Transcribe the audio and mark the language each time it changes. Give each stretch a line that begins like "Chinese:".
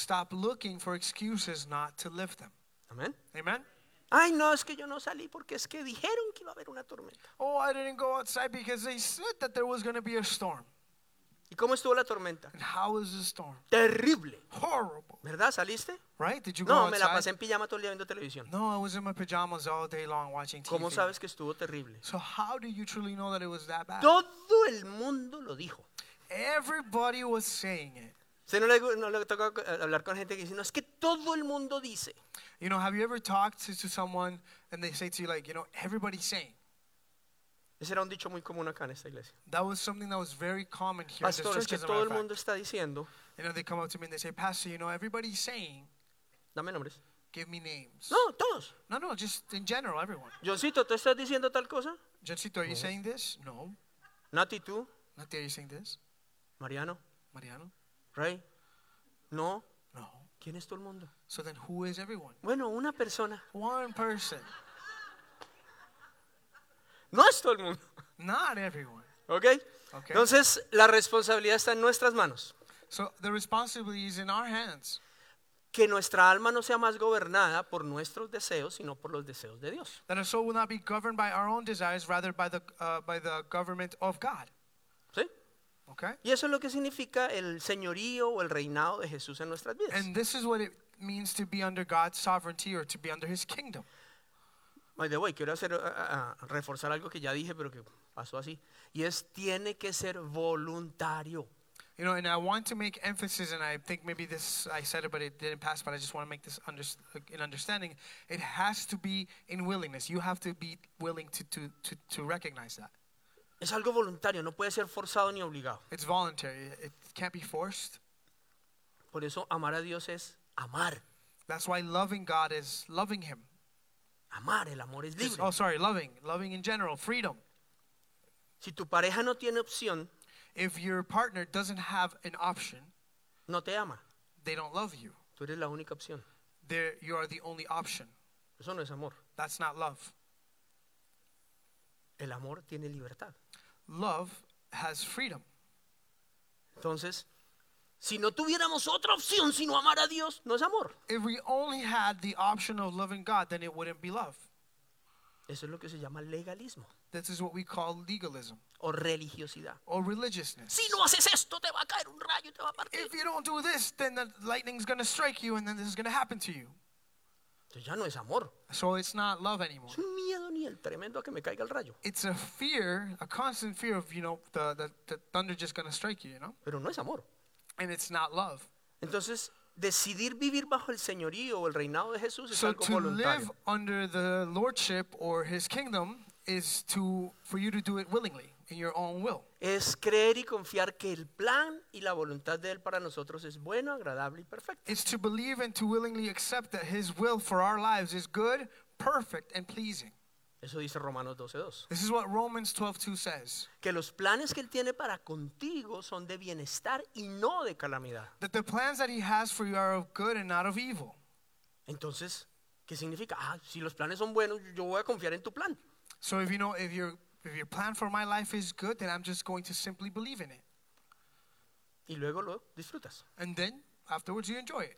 English: Stop looking for excuses not to live them. Amen. Amen.
Spanish: Ay, no, es que yo no salí porque es que dijeron que iba a haber una tormenta.
English: Oh, I didn't go outside because they said that there was going to be a storm.
Spanish: ¿Y cómo estuvo la tormenta?
English: And how was the storm?
Spanish: Terrible.
English: Horrible.
Spanish: ¿Verdad? ¿Saliste?
English: Right? Did you
Spanish: no,
English: go
Spanish: me
English: outside?
Spanish: La pasé en pijama todo el día viendo televisión.
English: No, I was in my pajamas all day long watching TV.
Spanish: ¿Cómo sabes que estuvo terrible?
English: So how do you truly know that it was that bad?
Spanish: Todo el mundo lo dijo.
English: Everybody was saying it.
Spanish: Si no le, no le toca hablar con gente que dice, no, es que todo el mundo dice.
English: You know, have you ever talked to someone and they say to you, like, you know, everybody's saying.
Spanish: Ese era un dicho muy común acá en esta iglesia.
English: That was something that was very common here.
Spanish: Pastor, es que todo el mundo está diciendo.
English: You know, they come up to me and they say, Pastor, you know, everybody's saying.
Spanish: Dame nombres.
English: Give me names.
Spanish: No, todos.
English: No, no, just in general, everyone.
Spanish: Johncito, ¿tú estás diciendo tal cosa?
English: Johncito, are you saying this?
Spanish: No. Nati, ¿tú?
English: Nati, are you saying this?
Spanish: Mariano.
English: Mariano.
Spanish: Ray. No.
English: No.
Spanish: ¿Quién es todo el mundo?
English: So then, who is everyone?
Spanish: Bueno, una persona.
English: One person.
Spanish: No es todo el mundo.
English: Not everyone. Okay. Okay.
Spanish: Entonces la responsabilidad está en nuestras manos.
English: So the responsibility is in our hands.
Spanish: Que nuestra alma no sea más gobernada por nuestros deseos, sino por los deseos de Dios.
English: That our soul will not be governed by our own desires, rather by the government of God.
Spanish: Sí.
English: Okay.
Spanish: Y eso es lo que significa el señorío o el reinado de Jesús en nuestras vidas.
English: And this is what it means to be under God's sovereignty or to be under His kingdom. By the way,
Spanish: quiero hacer reforzar algo que ya dije, pero que pasó así. Y es, tiene que ser voluntario.
English: You know, and I want to make emphasis, and I think maybe this, I said it, but it didn't pass, but I just want to make this in understanding. It has to be in willingness. You have to be willing to recognize that.
Spanish: Es algo voluntario, no puede ser forzado ni obligado.
English: It's voluntary. It can't be forced.
Spanish: Por eso, amar a Dios es amar.
English: That's why loving God is loving Him.
Spanish: Amar, el amor es libre.
English: Oh, sorry, loving in general, freedom.
Spanish: Si tu pareja no tiene opción,
English: if your partner doesn't have an option,
Spanish: no te ama.
English: They don't love you.
Spanish: Tú eres la única opción.
English: There, you are the only option.
Spanish: Eso no es amor.
English: That's not love.
Spanish: El amor tiene libertad.
English: Love has freedom.
Spanish: Entonces, si no tuviéramos otra opción sino amar a Dios, no es amor.
English: If we only had the option of loving God, then it wouldn't be love.
Spanish: Eso es lo que se llama legalismo.
English: This is what we call legalism.
Spanish: O religiosidad.
English: Or religiousness.
Spanish: Si no haces esto, te va a caer un rayo y te va a partir.
English: If you don't do this, then the lightning's going to strike you and then this is going to happen to you.
Spanish: Entonces ya no es amor.
English: So it's not love anymore.
Spanish: Es un miedo ni el tremendo a que me caiga el rayo.
English: It's a fear, a constant fear of, you know, the thunder just going to strike you, you know?
Spanish: Pero no es amor.
English: And it's not love.
Spanish: Entonces, decidir vivir bajo el señorío o el reinado de Jesús es
English: so
Spanish: algo voluntario.
English: So to live under the lordship or His kingdom is to for you to do it willingly in your own will.
Spanish: Es creer y confiar que el plan y la voluntad de él para nosotros es bueno, agradable y perfecto.
English: It's to believe and to willingly accept that His will for our lives is good, perfect, and pleasing.
Spanish: Eso dice Romanos 12:2.
English: This is what Romans 12:2 says.
Spanish: Que los planes que él tiene para contigo son de bienestar y no de calamidad.
English: That the plans that he has for you are of good and not of evil.
Spanish: Entonces, ¿qué significa? Ah, si los planes son buenos, yo voy a confiar en tu plan.
English: So if you know, if your plan for my life is good, then I'm just going to simply believe in it.
Spanish: Y luego lo disfrutas.
English: And then afterwards you enjoy it.